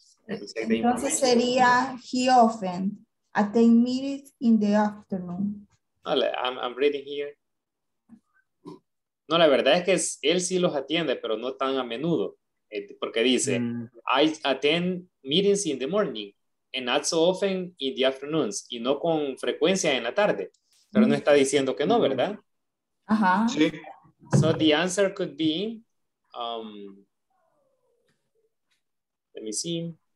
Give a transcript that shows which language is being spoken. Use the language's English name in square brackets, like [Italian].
[Spanish] Entonces sería, [English] he often attend meetings in the afternoon. No, I'm reading here. [Spanish] No, la verdad es que es, él sí los atiende, pero no tan a menudo. Porque dice, [English] I attend meetings in the morning and not so often in the afternoons. [Spanish] Y no con frecuencia en la tarde. Pero no está diciendo que no, ¿verdad? Ajá. Sí. [English] So the answer could be, let me see.